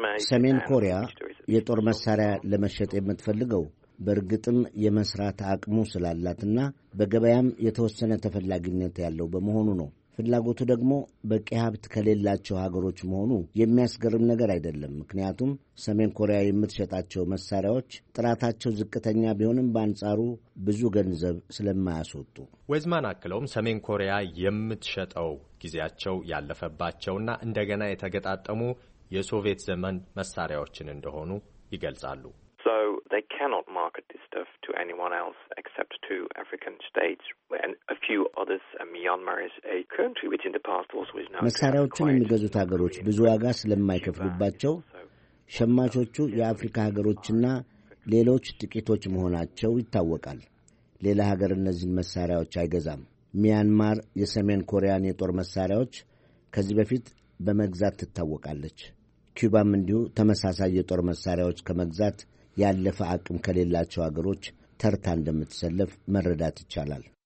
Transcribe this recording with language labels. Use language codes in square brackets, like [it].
[am] ሰሜን ኮሪያ የጦር መሳሪያ ለመሸጥ የምትፈልገው በእርግጥም የመስራት አቅሙ ስላላትና በገበያም የተወሰነ ተፈላጊነት ያለው በመሆኑ ነው። ፍላጎቱ ደግሞ በቂ ሀብት ከሌላቸው ሀገሮች መሆኑ የሚያስገርም ነገር አይደለም። ምክንያቱም ሰሜን ኮሪያ የምትሸጣቸው መሳሪያዎች ጥራታቸው ዝቅተኛ ቢሆንም በአንጻሩ ብዙ ገንዘብ ስለማያስወጡ። ዌዝማን አክለውም ሰሜን ኮሪያ የምትሸጠው ጊዜያቸው ያለፈባቸውና እንደገና የተገጣጠሙ የሶቪየት ዘመን መሳሪያዎችን እንደሆኑ ይገልጻሉ። [en] They cannot market this stuff to anyone else except to African states and a few others. Myanmar is a country which in the past also is now quite... [am] መሳሪያዎቹን የሚገዙት ሀገሮች ብዙ ዋጋ ስለማይከፍሉባቸው ሸማቾቹ የአፍሪካ ሀገሮችና ሌሎች ጥቂቶች መሆናቸው ይታወቃል። ሌላ ሀገር እነዚህን መሳሪያዎች አይገዛም። ሚያንማር የሰሜን ኮሪያን የጦር መሳሪያዎች ከዚህ በፊት በመግዛት ትታወቃለች። ኩባም እንዲሁ ተመሳሳይ የጦር መሳሪያዎች ከመግዛት ያለፈ አቅም ከሌላቸው አገሮች ተርታ እንደምትሰለፍ መረዳት ይቻላል።